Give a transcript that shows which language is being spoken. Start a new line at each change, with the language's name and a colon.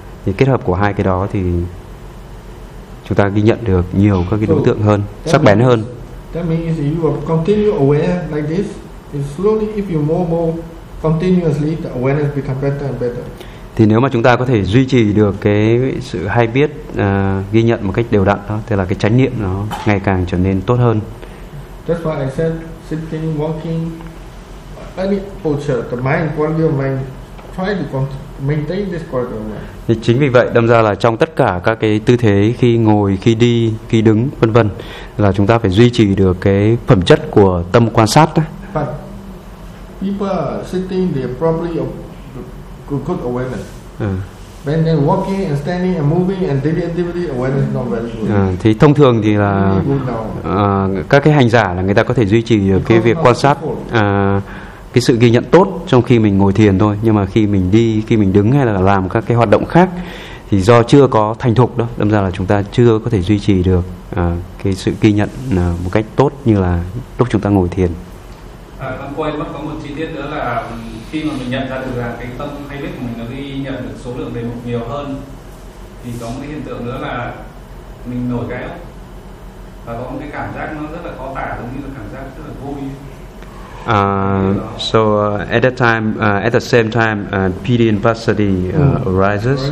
Vietnamese: Thì kết hợp của hai cái đó thì chúng ta ghi nhận được nhiều các cái đối tượng hơn, sắc bén hơn.
English: That means if you continue aware like this, it's slowly if you more continuously the awareness become better and better.
Vietnamese: Thì nếu mà chúng ta có thể duy trì được cái sự hay biết ghi nhận một cách đều đặn đó, thì là cái chánh niệm nó ngày càng trở nên tốt hơn.
English: That's why I said sitting, walking, any posture, the mind, quality of mind, try to maintain this quality of mind.
Vietnamese: Thì chính vì vậy đâm ra là trong tất cả các cái tư thế khi ngồi, khi đi, khi đứng, vân vân, là chúng ta phải duy trì được cái phẩm chất của tâm quan sát đó.
English: But people are sitting, they are probably of good awareness. When they walking and standing and moving and daily activity awareness not very good.
Vietnamese: Thì thông thường thì là các cái hành giả là người ta có thể duy trì được cái việc quan sát, cái sự ghi nhận tốt trong khi mình ngồi thiền thôi. Nhưng mà khi mình đi, khi mình đứng hay là làm các cái hoạt động khác, thì do chưa có thành thục đó, đâm ra là chúng ta chưa có thể duy trì được cái sự ghi nhận một cách tốt như là lúc chúng ta ngồi thiền. Con quên mất có một chi tiết nữa là khi mà mình nhận ra được là cái tâm hay biết của mình nó ghi nhận được số lượng đề mục nhiều hơn, thì có một cái hiện tượng nữa là mình nổi cái óc và có một cái cảm giác nó rất là khó tả, giống như là cảm giác rất là vui.
English: At that time, at the same time, PD and Vasati arises.